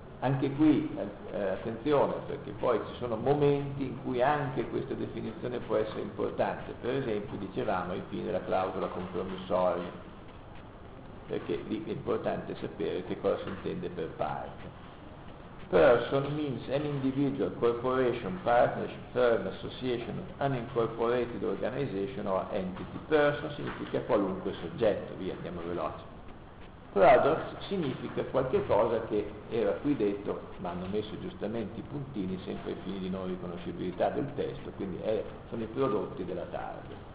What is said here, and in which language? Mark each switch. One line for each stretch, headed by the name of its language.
Italian: Anche qui, attenzione, perché poi ci sono momenti in cui anche questa definizione può essere importante. Per esempio, dicevamo, infine, la clausola compromissoria, perché lì è importante sapere che cosa si intende per parte.
English: Person means an individual, corporation, partnership, firm, association, unincorporated organization or entity.
Italian: Person significa qualunque soggetto, via, andiamo veloce. Product significa qualche cosa che era qui detto, ma hanno messo giustamente i puntini sempre ai fini di non riconoscibilità del testo, quindi sono i prodotti della tarda.